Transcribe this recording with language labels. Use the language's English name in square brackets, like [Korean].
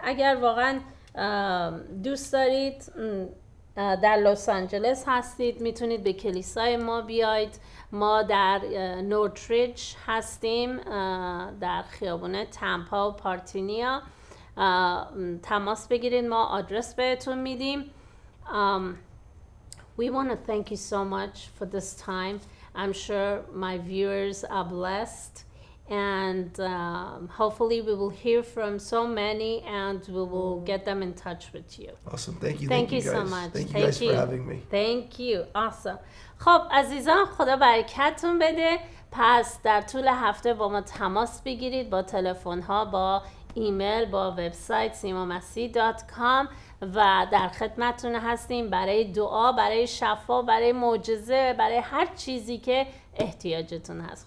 [Persian] اگر واقعا دوست دارید، در لس آنجلس هستید، میتونید به کلیسای ما بیاید. ما در نورتریج هستیم، در خیابون تمپا و پارتینیا. تماس بگیرید، ما آدرس بهتون میدیم. [English] We want to thank you so much for this time. I'm sure my viewers are blessed, and hopefully we will hear from so many, and we will get them in touch with you. Awesome. Thank you so much. Thank you guys for having me. Thank you. Awesome. [Persian] خب عزیزان، خدا برکتتون بده. پس در طول هفته با ما تماس بگیرید، با تلفن ها، با ایمیل، با وبسایت simomasi.com، و در خدمتتون هستیم برای دعا، برای شفا، برای معجزه، برای هر چیزی که احتیاجتون هست.